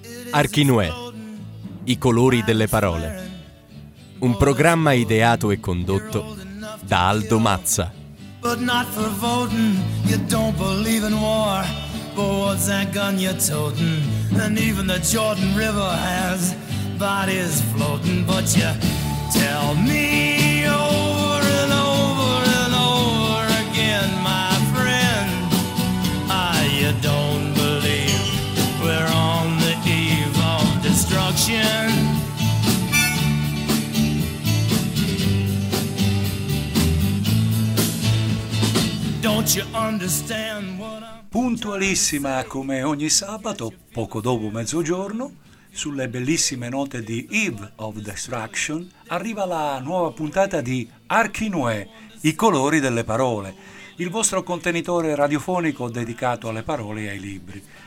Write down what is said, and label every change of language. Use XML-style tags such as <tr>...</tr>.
<it>Archinuè, i colori delle parole. Un programma ideato e condotto da Aldo Mazza.</it> <en>But not for voting, you don't believe in war. But what's that gun you're toting? And even the Jordan River has bodies floating. But you tell me over and over and over again, my friend, you don't believe we're on the eve of destruction. Don't you understand what I'm...</en> <it>Puntualissima come ogni sabato, poco dopo mezzogiorno, sulle bellissime note di Eve of Destruction, arriva la nuova puntata di Archinuè, i colori delle parole, il vostro contenitore radiofonico dedicato alle parole e ai libri.</it>